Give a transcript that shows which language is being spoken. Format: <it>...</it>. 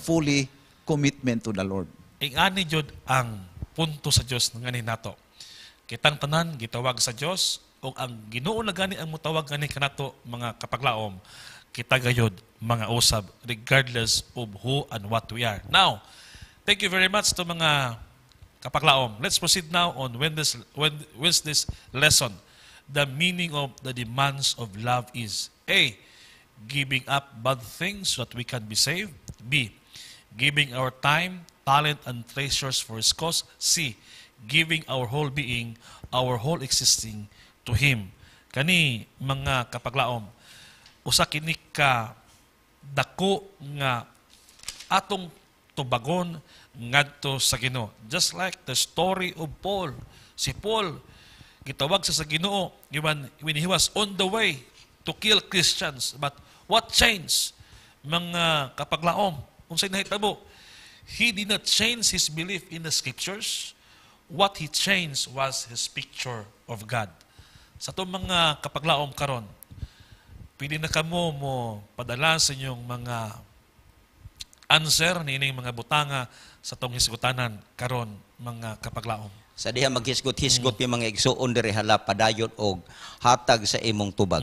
<en>Fully commitment to the Lord.</en> <ceb>Ingani jud ang punto sa Dios ngani nato. Kitang tanan gitawag sa Dios. O ang Ginoo na gani ang mutawag gani kanato mga kapaglaom, kita gayod mga usab,</ceb> <en>regardless of who and what we are. Now, thank you very much to</en> <ceb>mga kapaglaom.</ceb> <en>Let's proceed now on when this lesson. The meaning of the demands of love is A. Giving up bad things so that we can be saved. B. Giving our time, talent, and treasures for His cause. C. Giving our whole being, our whole existing to Him.</en> <ceb>Kani mga kapaglaom, usa kini ka dako nga atong tubagon ngadto sa Ginoo.</ceb> <en>Just like the story of Paul.</en> <ceb>Si Paul, gitawag sa Ginoo</ceb> <en>when he was on the way to kill Christians. But what changed?</en> <ceb>Mga kapaglaom, kung sa'yo nahitabo,</ceb> <en>he did not change his belief in the scriptures. What he changed was his picture of God.</en> <ceb>Sa itong mga kapaglaom karon, pwede na kamo mo padala sa inyong mga answer niining mga butanga sa itong hisgutanan karon mga kapaglaom. Sa diha maghisgot-hisgot yung mga igsoon diri hala padayon o hatag sa imong tubag.</ceb>